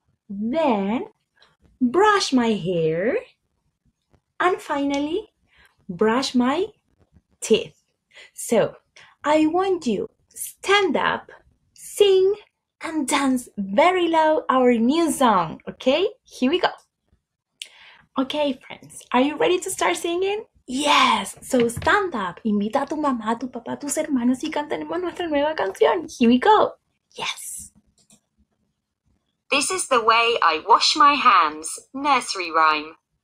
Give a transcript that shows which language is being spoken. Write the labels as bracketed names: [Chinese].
[English] Then, brush my hair. And finally, brush my teeth. So, I want you stand up, sing, and dance very loud our new song, okay? Here we go. Okay, friends, are you ready to start singing? Yes! So stand up, [Spanish] invita a tu mamá, tu papá, tus hermanos y cantemos nuestra nueva canción. [English] Here we go. Yes! This is the way I wash my hands, nursery rhyme.